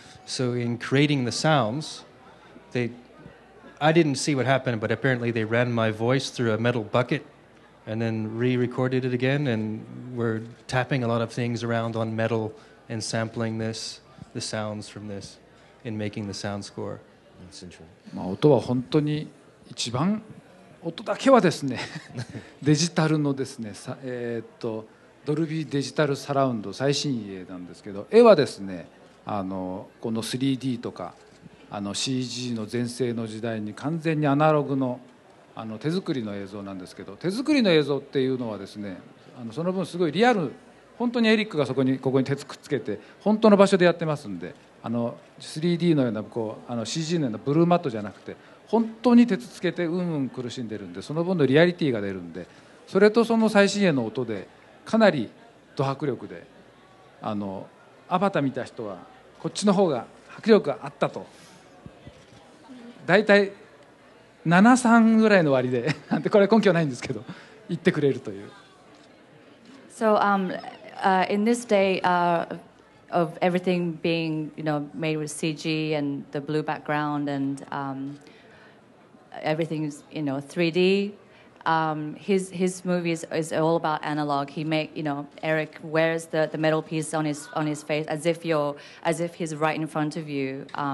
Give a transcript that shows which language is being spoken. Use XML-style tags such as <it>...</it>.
<en>So in creating the sounds, I didn't see what happened, but apparently they ran my voice through a metal bucket and then re-recorded it again and were tapping a lot of things around on metal and sampling this, the sounds from this, in making the sound score. That's interesting.</en> <ja>まあ音は本当に一番 音だけはですね、デジタルのですね、ドルビーデジタルサラウンド最新鋭なんですけど、絵はですね、あのこの 3D とかあの CG の全盛の時代に完全にアナログ の手作りの映像なんですけど、手作りの映像っていうのはですね、あのその分すごいリアル、本当にエリックがそこにここに鉄くっつけて本当の場所でやってますんで、あの 3D のようなこうあの CG のようなブルーマットじゃなくて本当に鉄つけてうんうん苦しんでるんで、その分のリアリティが出るんで、それとその最新鋭の音でかなりド迫力で、あのアバター見た人はこっちの方が迫力があったと、だいたい 7-3 ぐらいの割でなんてこれ根拠ないんですけど言ってくれるという。</ja> <en>So in this day of everything being, you know, made with CG and the blue background and everything's, you know, 3D. His movie is all about analog. He make, you know, Eric wears the metal piece on his face as if he's right in front of you.</en>